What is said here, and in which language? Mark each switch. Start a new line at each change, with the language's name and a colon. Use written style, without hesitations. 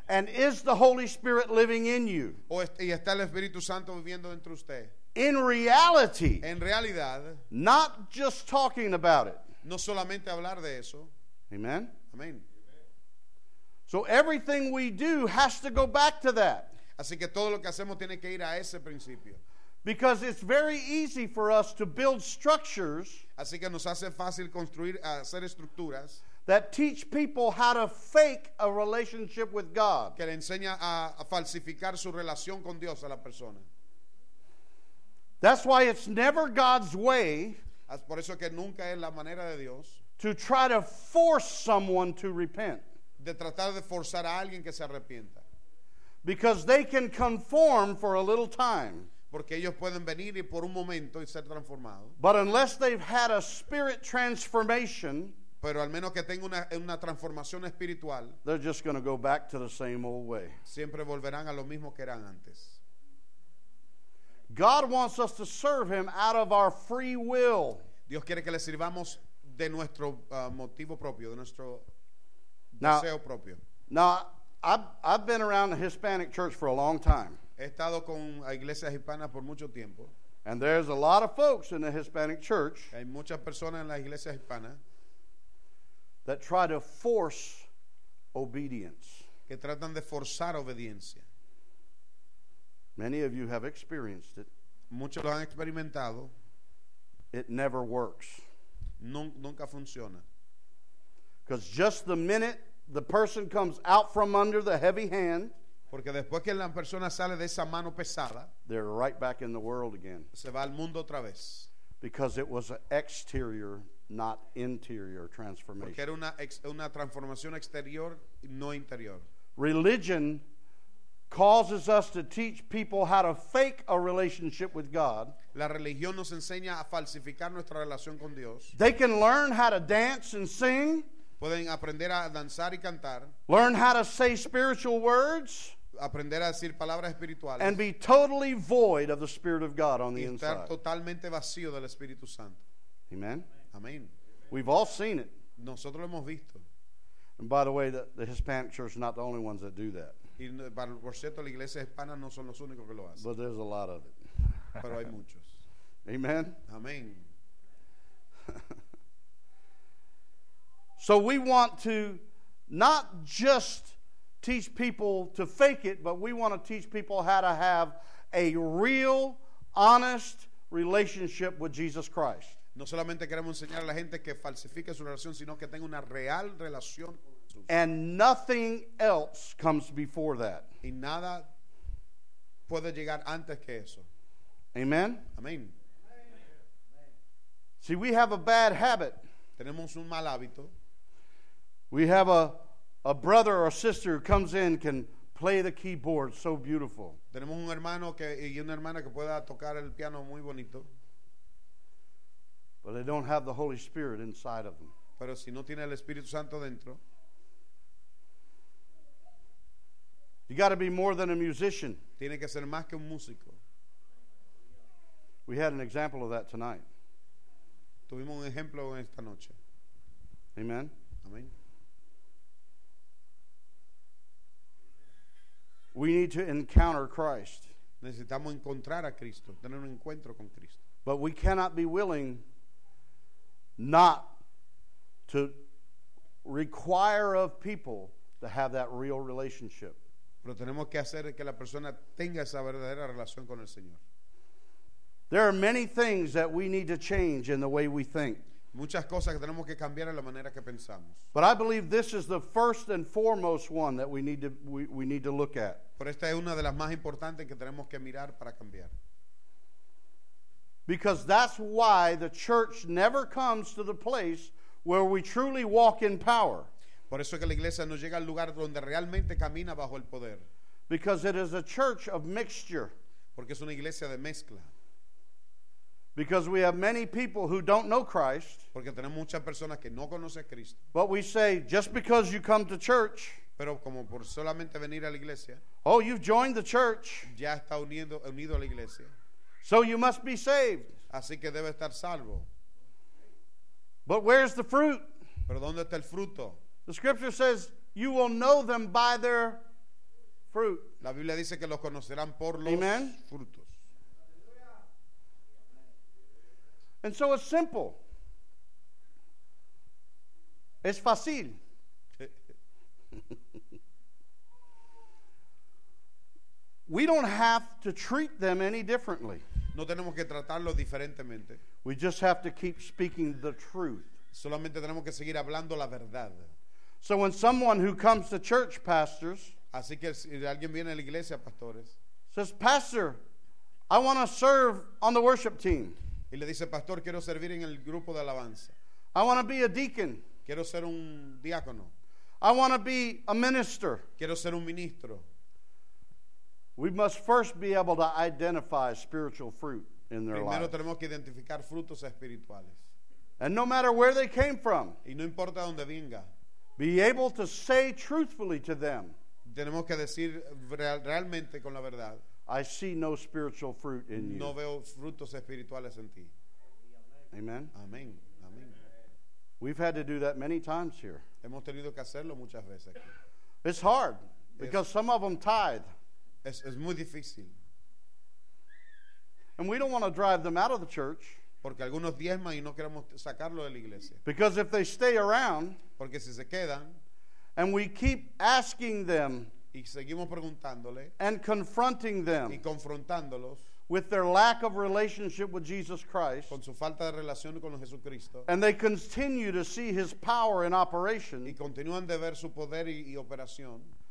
English: and is the Holy Spirit living in you?
Spanish: Y está el Espíritu Santo viviendo dentro de usted.
English: In reality,
Spanish: en realidad,
English: not just talking about it.
Spanish: No solamente hablar de eso.
English: Amen.
Spanish: Amen.
English: So everything we do has to go back to that.
Spanish: Así que todo lo que hacemos tiene que ir a ese principio.
English: Because it's very easy for us to build structures.
Spanish: Así que nos hace fácil construir, hacer estructuras.
English: That teach people how to fake a relationship with God.
Spanish: Que le enseña a falsificar su relación con Dios a la persona.
English: That's why it's never God's way.
Spanish: Por eso que nunca es la manera de Dios.
English: To try to force someone to repent.
Spanish: De tratar de forzar a alguien que se arrepienta.
English: Because they can conform for a little time.
Spanish: Porque ellos pueden venir y por un momento y ser transformados.
English: But unless they've had a spirit transformation,
Spanish: pero al menos que tenga una transformación espiritual,
English: they're just going to go back to the same old way.
Spanish: Siempre volverán a lo mismo que eran antes.
English: God wants us to serve him out of our free will.
Spanish: Dios quiere que le sirvamos de nuestro motivo propio, de nuestro deseo propio.
English: Now, I've been around the Hispanic church for a long time.
Spanish: He estado con iglesias hispanas por mucho tiempo.
English: And there's a lot of folks in the Hispanic church.
Spanish: Hay muchas personas en las iglesias hispanas
English: that try to force obedience.
Spanish: Que tratan de forzar obediencia.
English: Many of you have experienced it.
Spanish: Muchos lo han experimentado.
English: It never works.
Spanish: Nunca funciona.
English: Because just the minute the person comes out from under the heavy hand,
Spanish: porque después que la persona sale de esa mano pesada,
English: they're right back in the world again.
Spanish: Se va al mundo otra vez.
English: Because it was an exterior, not interior transformation.
Spanish: Porque era una transformación exterior, no interior.
English: Religion causes us to teach people how to fake a relationship with God.
Spanish: La religión nos enseña a falsificar nuestra relación con Dios.
English: They can learn how to dance and sing.
Spanish: Pueden aprender a danzar y cantar.
English: Learn how to say spiritual words.
Spanish: Aprender a decir palabras espirituales.
English: And be totally void of the Spirit of God on the inside.
Spanish: Y estar totalmente vacío del Espíritu Santo.
English: Amen.
Spanish: Amen.
English: We've all seen it.
Spanish: Nosotros lo hemos visto.
English: And by the way, the Hispanic church is not the only ones that do that.
Spanish: Y por cierto, la iglesia hispana no son los únicos que lo hacen.
English: But there's a lot of it.
Spanish: Pero hay muchos.
English: Amen.
Spanish: Amen.
English: So we want to not just teach people to fake it, but we want to teach people how to have a real, honest relationship with Jesus Christ.
Spanish: No solamente queremos enseñar a la gente que falsifique su relación, sino que tenga una real relación con Jesús.
English: And nothing else comes before that.
Spanish: Y nada puede llegar antes que eso.
English: Amen.
Spanish: Amen.
English: See, we have a bad habit.
Spanish: Tenemos un mal hábito.
English: We have a brother or a sister who comes in and can play the keyboard so beautiful.
Spanish: Tenemos un hermano que y una hermana que pueda tocar el piano muy bonito.
English: But they don't have the Holy Spirit inside of them.
Spanish: Pero si no tiene el Espíritu Santo dentro.
English: You got to be more than a musician.
Spanish: Tiene que ser más que un músico.
English: We had an example of that tonight.
Spanish: Tuvimos un ejemplo en esta noche.
English: Amen.
Spanish: Amen.
English: We need to encounter Christ.
Spanish: Necesitamos encontrar a Cristo, tener un encuentro con Cristo.
English: But we cannot be willing not to require of people to have that real relationship.
Spanish: Pero tenemos que hacer que la persona tenga esa verdadera relación con el Señor.
English: There are many things that we need to change in the way we think.
Spanish: Muchas cosas que tenemos que cambiar en la manera que pensamos.
English: But I believe this is the first and foremost one that we need to look at.
Spanish: Pero esta es una de las más importantes que tenemos que mirar para cambiar.
English: Because that's why the church never comes to the place where we truly walk in power.
Spanish: Por eso es que la iglesia no llega al lugar donde realmente camina bajo el poder.
English: Because it is a church of mixture.
Spanish: Porque es una iglesia de mezcla.
English: Because we have many people who don't know Christ.
Spanish: Porque tenemos muchas personas que no conocen a Cristo.
English: But we say, just because you come to church.
Spanish: Pero como por solamente venir a la iglesia.
English: Oh, you've joined the church.
Spanish: Ya está unido a la iglesia.
English: So you must be saved.
Spanish: Así que debe estar salvo.
English: But where's the fruit?
Spanish: Pero ¿dónde está el fruto?
English: The scripture says, you will know them by their fruit.
Spanish: La Biblia dice que los conocerán por los
English: Amen.
Spanish: Frutos.
English: And so it's simple.
Spanish: Es fácil.
English: We don't have to treat them any differently.
Spanish: No tenemos que tratarlos diferentemente.
English: We just have to keep speaking the truth.
Spanish: Solamente tenemos que seguir hablando la verdad.
English: So when someone who comes to church, pastors,
Spanish: así que si alguien viene a la iglesia, pastores,
English: says, Pastor, I want to serve on the worship team.
Spanish: Y le dice, Pastor, quiero servir en el grupo de alabanza.
English: I want to be a deacon.
Spanish: Quiero ser un diácono.
English: I want to be a minister.
Spanish: Quiero ser un ministro.
English: We must first be able to identify spiritual fruit in their
Spanish: Primero
English: lives.
Spanish: Tenemos que identificar frutos espirituales.
English: And no matter where they came from.
Spanish: Y no importa donde venga.
English: Be able to say truthfully to them.
Spanish: Tenemos que decir realmente con la verdad.
English: I see no spiritual fruit in you.
Spanish: No veo frutos espirituales en ti.
English: Amen.
Spanish: Amen. Amen.
English: We've had to do that many times here.
Spanish: Hemos tenido que hacerlo muchas veces aquí.
English: It's hard because some of them tithe.
Spanish: Es muy difícil.
English: And we don't want to drive them out of the church.
Spanish: Porque algunos diezman y no queremos sacarlo de la iglesia.
English: Because if they stay around,
Spanish: porque si se quedan,
English: and we keep asking them.
Spanish: Y seguimos preguntándole,
English: and confronting them
Spanish: y confrontándolos,
English: with their lack of relationship with Jesus Christ
Spanish: con su falta de relación con Jesucristo,
English: and they continue to see his power in operation
Spanish: y continúan de ver su poder y operación,